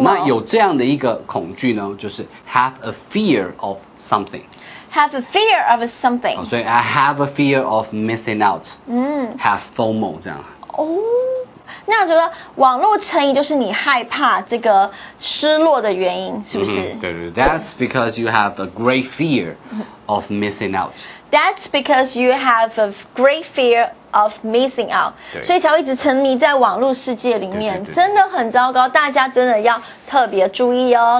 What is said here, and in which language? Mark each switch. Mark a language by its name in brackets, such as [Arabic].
[Chinese] 那有这样的一个恐惧呢，就是 [English] have a fear of something。 Have a fear of something. [Chinese] 所以 [English] I have a fear of missing out. Have FOMO [Chinese] 这样。哦，那我觉得网络成瘾就是你害怕这个失落的原因，是不是？ Mm-hmm. 对对 [English] ，That's because you have a great fear of missing out. That's because you have a great fear of missing out. [Chinese] 所以才会一直沉迷在网络世界里面，真的很糟糕。大家真的要特别注意哦。